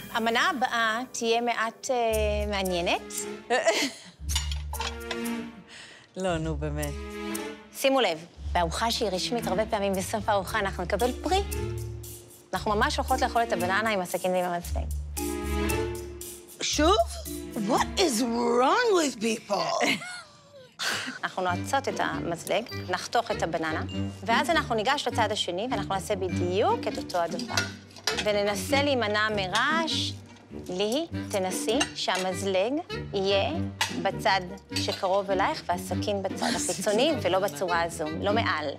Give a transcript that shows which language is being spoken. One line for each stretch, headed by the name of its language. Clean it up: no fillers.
Hebrew: המנה הבאה תהיה מעט מעניינת. לא, נו, באמת. שימו לב, בארוחה שהיא רשמית הרבה פעמים בסוף הארוחה אנחנו נקבל פרי. אנחנו ממש הולכות לאכול את הבננה עם הסכין ועם המצלג. שוב?
English: What is wrong with people?
Hebrew: אנחנו נועצות את המצלג, נחתוך את הבננה, ואז אנחנו ניגש לצד השני ואנחנו נעשה בדיוק את אותו הדבר. וננסה להימנע מרעש. לי, תנסי שהמזלג יהיה בצד שקרוב אלייך והסכין בצד החיצוני ולא בצורה הזו, לא מעל.